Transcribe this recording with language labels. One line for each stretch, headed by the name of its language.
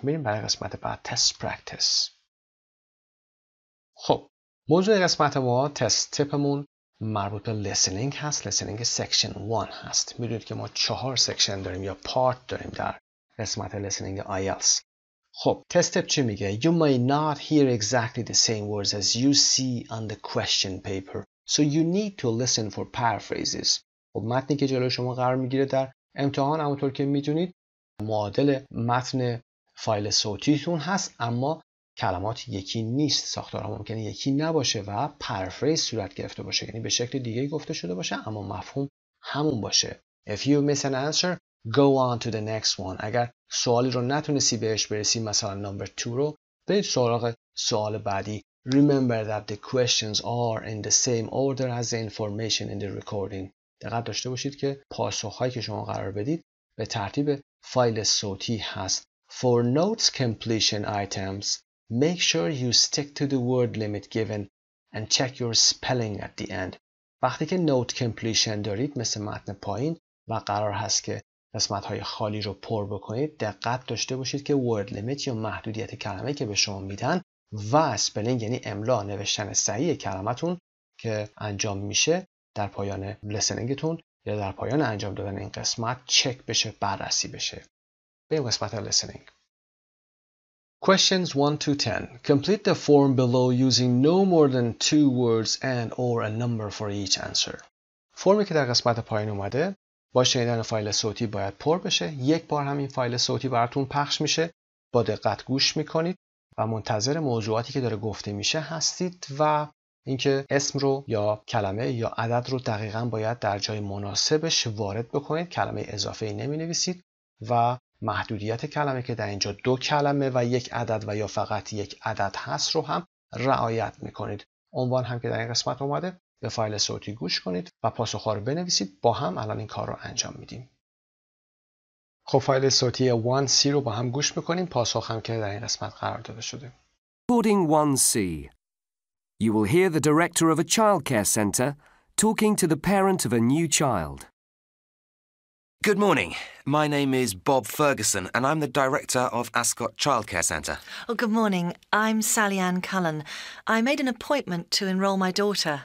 Persian: میریم برای قسمت بعد، تست پرکتس. خب موضوع قسمت ما، تست تپمون، مربوط به لسنینگ هست. لسنینگ سکشن 1 هست. میدونید که ما 4 سکشن داریم یا پارت داریم در قسمت لسنینگ IELTS. خب تست تپ چی میگه؟
English: You may not hear exactly the same words as you see on the question paper, so you need to listen for paraphrases.
Persian: خب متنی که جلوی شما قرار میگیره در امتحان، همونطور که میدونید، معادل متن فایل صوتیتون هست، اما کلمات یکی نیست، ساختارها ممکنه یکی نباشه و پرفریز صورت گرفته باشه، یعنی به شکل دیگه گفته شده باشه اما مفهوم همون باشه.
English: If you miss an answer, go on to the next one.
Persian: اگر سوالی رو نتونستی بهش برسی، مثلا نمبر 2 رو، برید سراغ سوال بعدی.
English: Remember that the questions are in the same order as the information in the recording.
Persian: دقت داشته باشید که پاسخهایی که شما قرار بدید به ترتیب فایل صوتی هست.
English: For notes completion items, make sure you stick to the word limit given and check your spelling at the end.
Persian: وقتی که نوت کمپلیشن دارید، مثل متن پایین، و قرار هست که قسمت‌های خالی رو پر بکنید، دقت داشته باشید که word limit یا محدودیت کلمه که به شما میدن و spelling یعنی املا، نوشتن صحیح کلمتون که انجام میشه در پایان لسنینگتون یا در پایان انجام دادن این قسمت، چک بشه، بررسی بشه. بریم قسمت لسنینگ.
English: Questions 1 to 10. Complete the form below using no more than 2 words and or a number for each answer.
Persian: فرمی که در قسمت پایین اومده با شنیدن فایل صوتی باید پر بشه. یک بار همین فایل صوتی براتون پخش میشه. با دقت گوش میکنید و منتظر موضوعاتی که داره گفته میشه هستید و اینکه اسم رو یا کلمه یا عدد رو دقیقاً باید در جای مناسبش وارد بکنید. کلمه اضافه ای نمی نویسید و محدودیت کلمه که در اینجا دو کلمه و یک عدد و یا فقط یک عدد هست رو هم رعایت میکنید. عنوان هم که در این قسمت اومده، به فایل صوتی گوش کنید و پاسخ ها رو بنویسید. با هم الان این کار رو انجام میدیم. خب فایل صوتی 1C رو با هم گوش میکنیم، پاسخ هم که در این قسمت قرار داده شده.
English: Recording 1C. You will hear the director of a childcare center talking to the parent of a new child. Good morning. My name is Bob Ferguson and I'm the director of Ascot Childcare Centre. Oh, good morning. I'm Sally Ann Cullen. I made an appointment to enrol my daughter.